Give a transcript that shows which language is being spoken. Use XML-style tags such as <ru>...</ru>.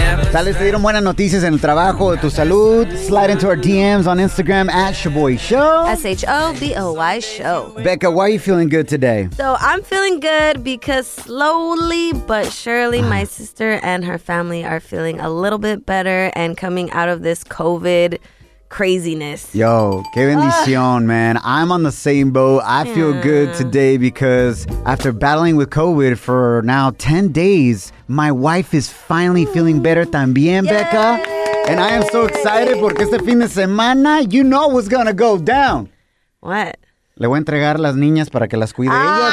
<es>Tal vez te dieron buenas noticias en el trabajo o tu salud.</es> <en>Slide into our DMs on Instagram at Shaboy Show. S-H-O-B-O-Y Show. Becca, why are you feeling good today? So I'm feeling good because slowly but surely my sister and her family are feeling a little bit better and coming out of this COVID craziness.</en> <es>Yo, qué bendición,</es> <en>man. I'm on the same boat. I feel good today because after battling with COVID for now 10 days, my wife is finally feeling better también, yay! Becca. And I am so excited</en> <es>porque este fin de semana,</es> <en>you know what's going to go down. What?</en> <es>Le voy a entregar las niñas para que las cuide ellas.</es>